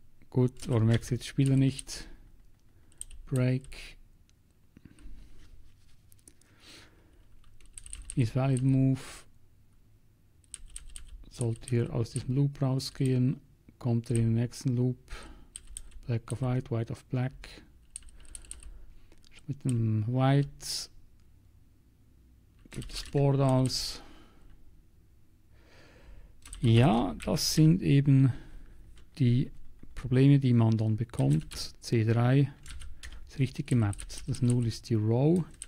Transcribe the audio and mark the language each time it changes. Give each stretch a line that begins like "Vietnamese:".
German: Gut, warum merkt jetzt Spieler nicht? Break.
English: Is valid move.
German: Sollte hier aus diesem Loop rausgehen, kommt er in den nächsten Loop.
English: Black of white, white of black.
German: Mit dem white gibt das Board aus. Ja, das sind eben die Probleme, die man dann bekommt. C3 ist richtig gemappt. Das 0 ist die Row.